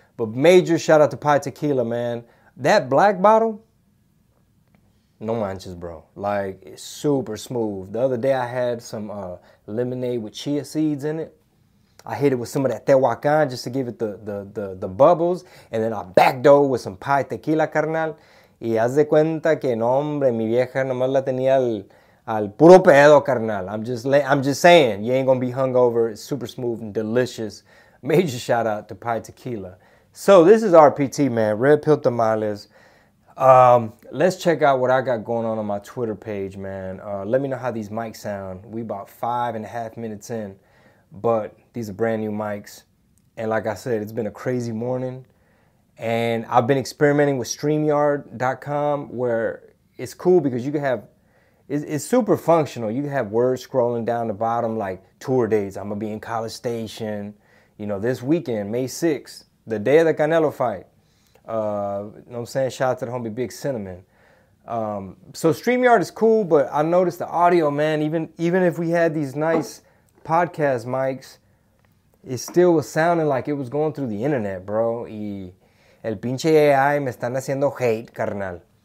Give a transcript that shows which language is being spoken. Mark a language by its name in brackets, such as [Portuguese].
[English] But major shout out to Pai Tequila, man. That black bottle, [Spanish] No manches, [English] bro. Like, it's super smooth. The other day I had some lemonade with chia seeds in it. I hit it with some of that tehuacan just to give it the bubbles. And then I backdoor with some pie tequila, carnal. [Spanish] Y haz de cuenta que, no, hombre, mi vieja nomás la tenía al puro pedo, carnal. [English] I'm just saying, you ain't gonna be hungover. It's super smooth and delicious. Major shout out to Pie Tequila. So this is RPT, man. Red Pill Tamales. Let's check out what I got going on my Twitter page, man. Let me know how these mics sound. We about 5.5 minutes in, but these are brand new mics. And like I said, it's been a crazy morning. And I've been experimenting with StreamYard.com, where it's cool because you can have, it's super functional. You can have words scrolling down the bottom, like tour dates. I'm gonna be in College Station, you know, this weekend, May 6th, the day of the Canelo fight. You know what I'm saying? Shout out to the homie Big Cinnamon. So StreamYard is cool, but I noticed the audio, man, even if we had these nice podcast mics, it still was sounding like it was going through the internet, bro. [Spanish] Y el pinche AI me están haciendo hate, carnal.